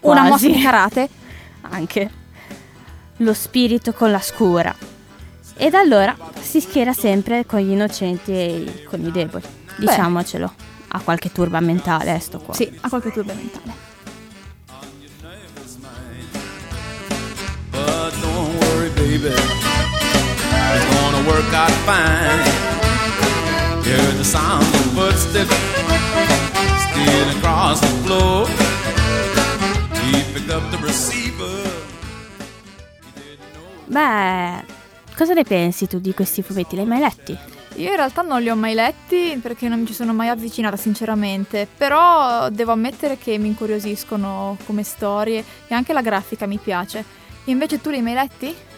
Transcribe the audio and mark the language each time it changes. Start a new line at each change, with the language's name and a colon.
Italian: Sembra una mossa di karate. Anche. Lo spirito con la scura. E da allora si schiera sempre con gli innocenti e con i deboli. Diciamocelo. Beh. Ha qualche turba mentale, sto qua. Sì, ha qualche turba mentale.
English: But don't worry, baby, it's gonna work out fine. Hear the sound of footsteps stealing across the floor. He picked up the receiver.
Italian: Beh, cosa ne pensi tu di questi fumetti? Li hai mai letti? Io in realtà non li ho mai letti perché non mi ci sono mai avvicinata sinceramente, però devo ammettere che mi incuriosiscono come storie e anche la grafica mi piace. E invece tu li hai mai letti?